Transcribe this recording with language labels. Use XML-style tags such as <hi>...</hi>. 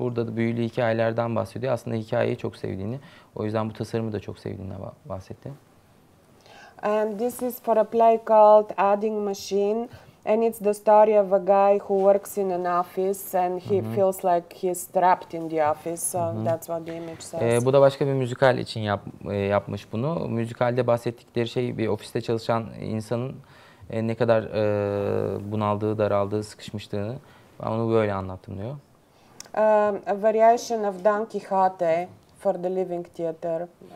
<tr>Burada da büyülü hikayelerden bahsediyor. Aslında hikayeyi çok sevdiğini, o yüzden bu tasarımı da çok sevdiğini bahsetti.</tr> <en>And this is for a play called Adding Machine, and it's the story of a guy who works in an office and he feels like he's trapped in the office. So that's what the image says.</en> <tr>Bu da başka bir müzikal için yapmış bunu. Müzikalde bahsettikleri şey bir ofiste çalışan insanın ne kadar bunaldığı, daraldığı, sıkışmışlığını. Ben onu böyle anlattım diyor.</tr> <en>A variation of Don Quixote for the Living Theater.</en>